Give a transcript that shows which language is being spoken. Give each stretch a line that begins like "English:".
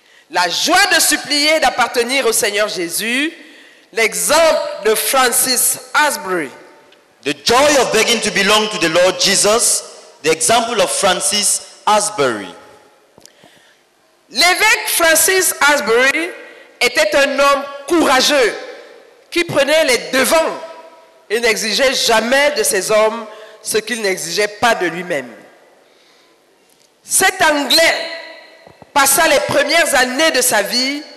French: La joie de supplier d'appartenir au Seigneur Jésus, l'exemple de Francis Asbury.
English: The joy of begging to belong to the Lord Jesus. The example of Francis Asbury.
French: L'évêque Francis Asbury était un homme courageux qui prenait les devants et n'exigeait jamais de ses hommes ce qu'il n'exigeait pas de lui-même. Cet Anglais passa les premières années de sa vie.